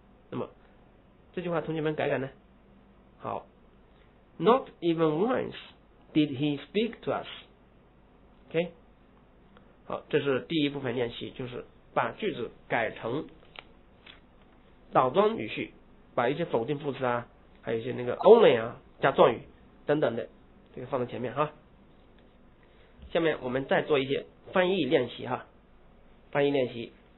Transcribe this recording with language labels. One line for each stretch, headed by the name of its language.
Chinese: 那么这句话同学们改改呢？
English: 好， not even once did he speak to us.
Chinese: OK， 好，这是第一部分练习，就是把句子改成倒装语序，把一些否定副词啊，还有一些那个 only 啊加状语等等的，这个放在前面哈。下面我们再做一些翻译练习哈，翻译练习。